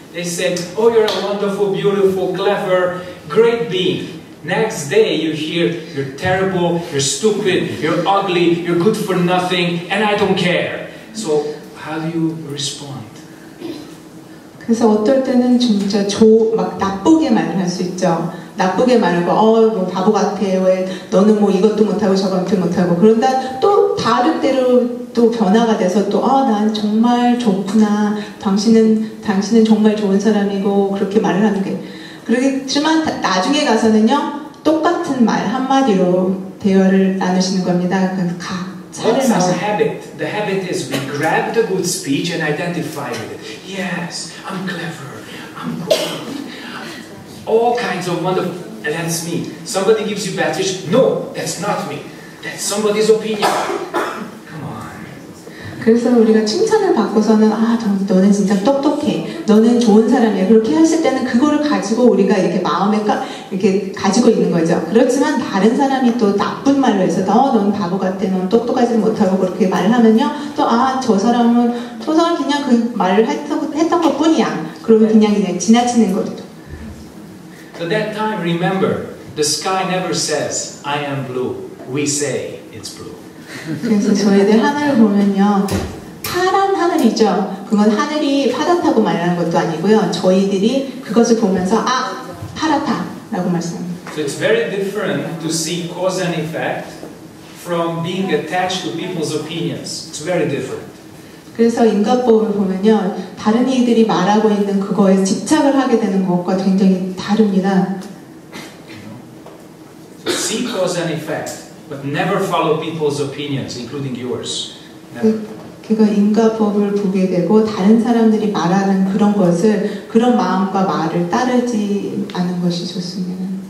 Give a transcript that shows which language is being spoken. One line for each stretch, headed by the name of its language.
English: They say, "Oh, you're a wonderful, beautiful, clever, great being." Next day, you hear you're terrible, you're stupid, you're ugly, you're good for nothing, and I don't care. So, how do you respond?
Korean: 그래서 어떨 때는 진짜 막 나쁘게 말을 할 수 있죠. 나쁘게 말하고, 뭐 바보 같아, 왜 너는 뭐 이것도 못하고 저것도 못하고. 그런다 또 다른 대로 또 변화가 돼서 또 난 정말 좋구나. 당신은 정말 좋은 사람이고 그렇게 말을 하는 게. 그렇지만 나중에 가서는요 똑같은 말 한마디로 대화를 나누시는 겁니다. 차를 마셔.
English: Habit. The habit is we grab the good speech and identify with it. Yes, I'm clever. I'm good. All kinds of wonderful. And that's me. Somebody gives you bad speech. No, that's not me. That's somebody's opinion.
Korean: 그래서 우리가 칭찬을 받고서는 너는 진짜 똑똑해, 너는 좋은 사람이야 그렇게 했을 때는 그거를 가지고 우리가 이렇게 마음에 이렇게 가지고 있는 거죠. 그렇지만 다른 사람이 또 나쁜 말로 해서 넌 바보 같아, 넌 똑똑하지 못하고 그렇게 말을 하면요 또 저 사람은 그냥 그 말을 했던 것 뿐이야. 그러면 그냥 이제 지나치는 거죠.
English: So that time, remember, the sky never says I am blue. We say it's blue.
Korean: 그래서 저희들 하늘을 보면요 파란 하늘이죠. 그건 하늘이 파랗다고 말하는 것도 아니고요 저희들이 그것을 보면서 파랗다라고 말씀합니다.
English: So it's very different to see cause and effect from being attached to people's opinions. It's very different.
Korean: 그래서 인과법을 보면요 다른 이들이 말하고 있는 그거에 집착을 하게 되는 것과 굉장히 다릅니다.
English: So see cause and effect. But never follow people's opinions, including yours. Never.
Korean: 그거 인과법을 보게 되고 다른 사람들이 말하는 그런 것을 그런 마음과 말을 따르지 않는 것이 좋습니다.